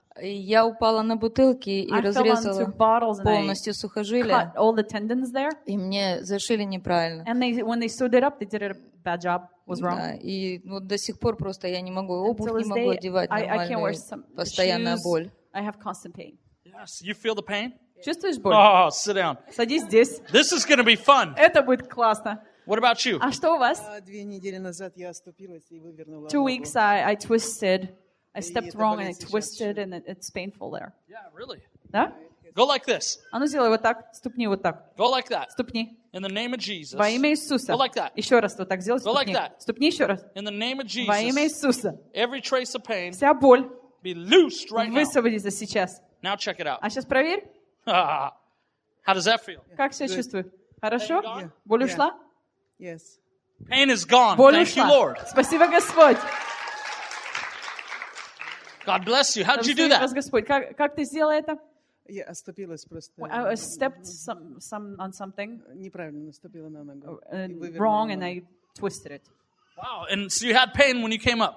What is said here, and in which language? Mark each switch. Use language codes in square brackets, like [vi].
[ru] Я упала на бутылки и разрезала полностью сухожилие. [en] Cut all the tendons there. [ru] И мне зашили неправильно. [en] And they, when they sewed it up, they did it a bad job. Was wrong. [ru] Да, и вот до сих пор просто я не могу обувь не могу одевать нормальную. Постоянная боль. [en] I have constant pain. Yes. You feel the pain? [ru] Чувствуешь боль? [en] Oh, sit down. [ru] Садись здесь. [en] This is going to be fun. [ru] Это будет классно. [en] What about you? [ru] А что у вас? 2 недели назад я оступилась и вывернула ногу. [en] 2 weeks I twisted. I stepped wrong and I twisted and it's painful there. Yeah, really? [ru] Да? [en] Go like this. [ru] А ну сделай вот так, ступни вот так. [en] Go like that. [ru] Ступни. [en] In the name of Jesus. [ru] Во имя Иисуса. [en] Go like that. [ru] Еще раз вот так сделай, ступни. [en] Go like that. [ru] Ступни еще раз. [en] In the name of Jesus. [ru] Во имя Иисуса. [en] Every trace of pain. [ru] Вся боль. [en] Be loosed right now. [ru] Высвободится сейчас. [en] Now check it out. [ru] А сейчас проверь. [en] How does that feel? [ru] Как себя чувствуешь? Хорошо? Боль ушла? [en] Yes. Pain is gone. [ru] Боль ушла. [en] Thank you, Lord. [ru] Спасибо, Господь. [en] God bless you. How did you do that? [ru] Как ты сделала это? Я оступилась просто. [en] I stepped some on something. [ru] Неправильно наступила на ногу. [en] Wrong and I twisted it. Wow, and so you had pain when you came up.